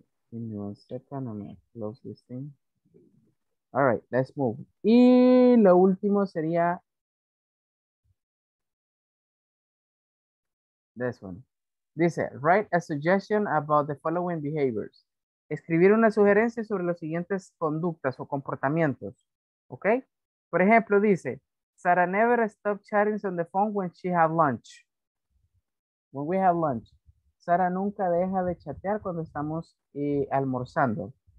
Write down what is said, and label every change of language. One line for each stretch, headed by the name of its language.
English: Give me one second, I'm gonna close this thing. All right, let's move.
Spanish: Y lo último sería...
English: This one.
Spanish: Dice,
English: write a suggestion about the following behaviors.
Spanish: Escribir una sugerencia sobre las siguientes conductas o comportamientos. ¿Ok? Por ejemplo, dice,
English: Sarah never stops chatting on the phone when she have lunch. When we have lunch.
Spanish: Sarah nunca deja de chatear cuando estamos almorzando.